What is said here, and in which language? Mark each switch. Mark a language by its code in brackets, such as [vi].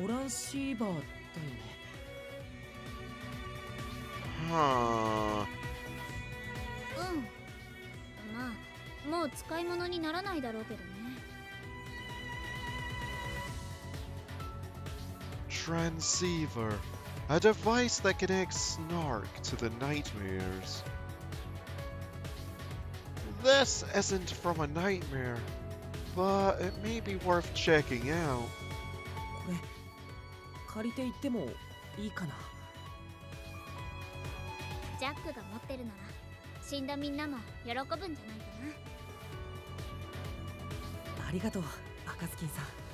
[ja] トランシーバーだよね。はあ。うん。まあ、もう使い物にならないだろうけどね。 [en] Transceiver, a device that connects Snark to the nightmares. This isn't from a nightmare, but it may be worth checking out. [ja] 借りていってもいいかな。ジャックが持ってるなら死んだみんなも喜ぶんじゃないかな。ありがとう、アカスキンさん。